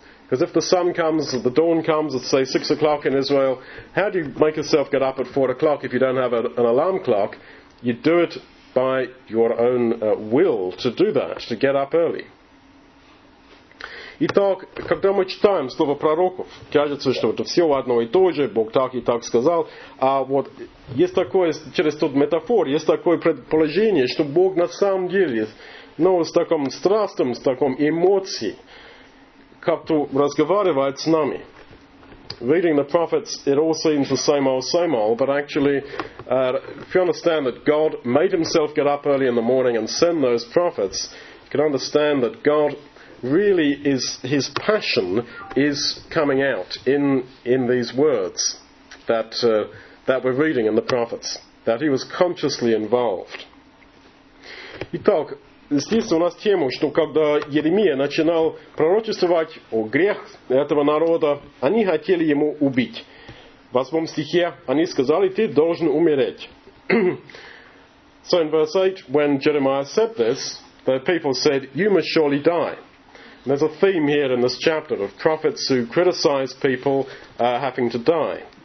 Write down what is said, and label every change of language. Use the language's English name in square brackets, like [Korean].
[English] Because if the sun comes, the dawn comes, let's say 6 o'clock in Israel, how do you make yourself get up at 4 o'clock if you don't have an alarm clock? You do it by your own will to do that, to get up early. [Russian] Итак, когда мы читаем слово пророков, кажется, что это все одно и то же, Бог так и так сказал. А вот есть такое, через тот метафор, есть такое предположение, что Бог на самом деле, с таким страстом, с таким эмоцией, как-то разговаривает с нами. [English] Reading the prophets, it all seems the same old, but actually, if you understand that God made himself get up early in the morning and send those prophets, you can understand that God really is, his passion is coming out in these words that we're reading in the prophets, that he was consciously involved. [Russian] Итак, здесь у нас тема, что когда Еремия начинал пророчествовать о грех этого народа, они хотели ему убить. В 8 стихе они сказали, ты должен умереть. [English] So in verse 8, when Jeremiah said this, the people said, you must surely die. And there's a theme here in this chapter of prophets who criticize people having to die.